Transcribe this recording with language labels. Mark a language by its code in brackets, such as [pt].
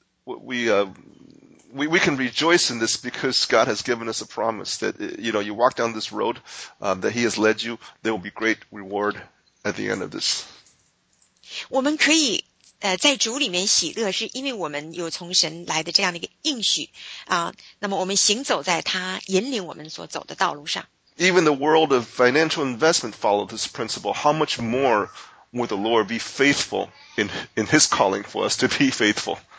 [en] We can rejoice in this because God has given us a promise that, you know, you walk down this road, that He has led you, there will be great reward at the end of this. [zh] 我们可以在主里面喜乐，是因为我们有从神来的这样的一个应许啊。那么我们行走在他引领我们所走的道路上。 [en] Even the world of financial investment followed this principle. How much more would the Lord be faithful in His calling for us to be faithful?